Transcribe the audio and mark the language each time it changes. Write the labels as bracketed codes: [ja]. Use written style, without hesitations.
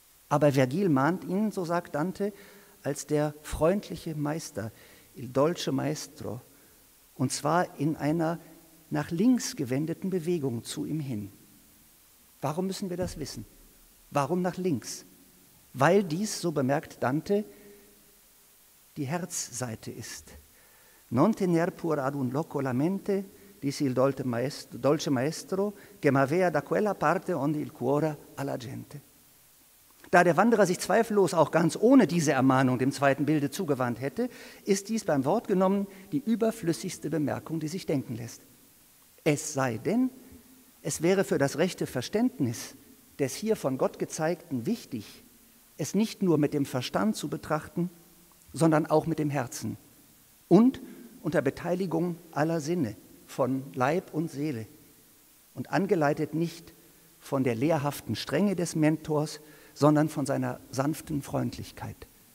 [de] Aber Vergil mahnt ihn, so sagt Dante, als der freundliche Meister, [it] il dolce maestro, [de] und zwar in einer nach links gewendeten Bewegung zu ihm hin. Warum müssen wir das wissen? Warum nach links? Weil dies, so bemerkt Dante, die Herzseite ist. [it] Non tener pur ad un loco la mente, disse il dolce maestro, che m'avea da quella parte onde il cuore alla gente. [de] Da der Wanderer sich zweifellos auch ganz ohne diese Ermahnung dem zweiten Bilde zugewandt hätte, ist dies beim Wort genommen die überflüssigste Bemerkung, die sich denken lässt. Es sei denn, es wäre für das rechte Verständnis des hier von Gott Gezeigten wichtig, es nicht nur mit dem Verstand zu betrachten, sondern auch mit dem Herzen und unter Beteiligung aller Sinne von Leib und Seele und angeleitet nicht von der lehrhaften Strenge des Mentors, sondern von seiner sanften Freundlichkeit.